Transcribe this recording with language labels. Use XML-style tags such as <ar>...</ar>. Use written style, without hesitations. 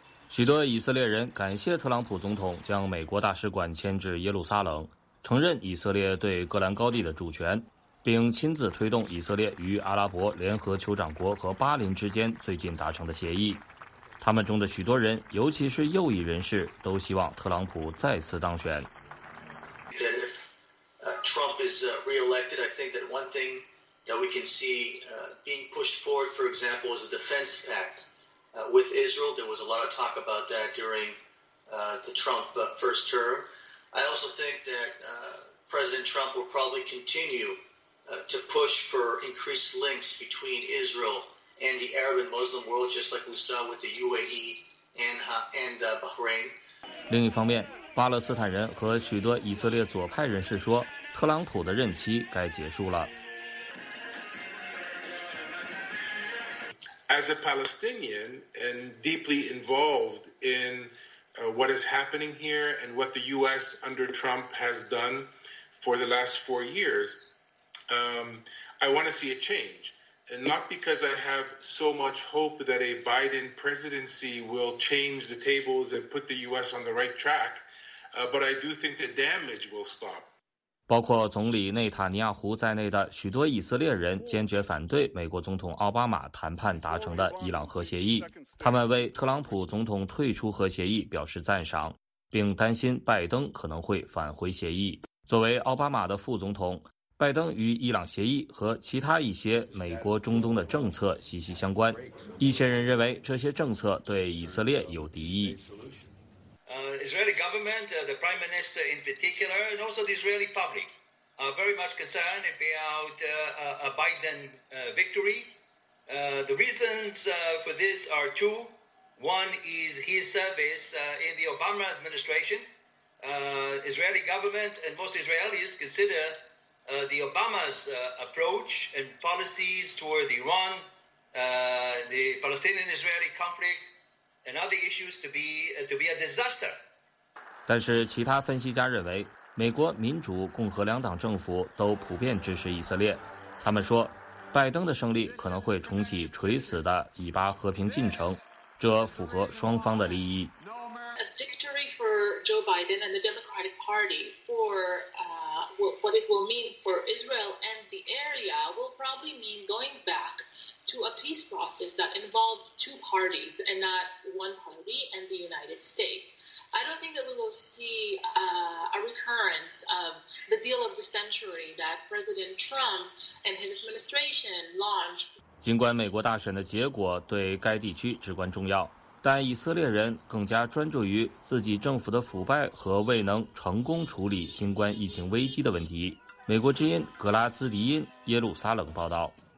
<zh>许多以色列人感谢特朗普总统将美国大使馆迁至耶路撒冷，承认以色列对戈兰高地的主权，并亲自推动以色列与阿拉伯联合酋长国和巴林之间最近达成的协议。他们中的许多人，尤其是右翼人士，都希望特朗普再次当选。</zh> <en>Trump is re-elected, I think that one thing that we can see being pushed forward, for example, is a defense pact with Israel. There was a lot of talk about that during the Trump first term. I also think that President Trump will probably continue to push for increased links between Israel and the Arab and Muslim world, just like we saw with the UAE and Bahrain.</en> <zh>另一方面，巴勒斯坦人和许多以色列左派人士说，特朗普的任期该结束了。</zh> <en>As a Palestinian and deeply involved in what is happening here and what the U.S. under Trump has done for the last four years, I want to see a change. And not because I have so much hope that a Biden presidency will change the tables and put the U.S. on the right track, but I do think the damage will stop.</en> <zh>包括总理内塔尼亚胡在内的许多以色列人坚决反对美国总统奥巴马谈判达成的伊朗核协议，他们为特朗普总统退出核协议表示赞赏，并担心拜登可能会返回协议。作为奥巴马的副总统，拜登与伊朗协议和其他一些美国中东的政策息息相关，一些人认为这些政策对以色列有敌意。</zh> <en>Israeli government, the prime minister in particular, and also the Israeli public are very much concerned about a Biden victory. The reasons for this are two. One is his service in the Obama administration. Israeli government and most Israelis consider the Obama's approach and policies toward Iran, the Palestinian-Israeli conflict,And other issues to be a disaster.</en> <zh>但是其他分析家认为，美国民主共和两党政府都普遍支持以色列。他们说，拜登的胜利可能会重启垂死的以巴和平进程，这符合双方的利益。</zh> <en>A victory for Joe Biden and the Democratic Party for what it will mean for Israel and the area will probably mean going back. To a peace process that involves two parties and not one party and the United States. I don't think that we will see a recurrence of the deal of the century that President Trump and his administration launched.</en> <zh>尽管美国大选的结果对该地区至关重要，但以色列人更加专注于自己政府的腐败和未能成功处理新冠疫情危机的问题。美国之音格拉兹迪因耶路撒冷报道。</zh>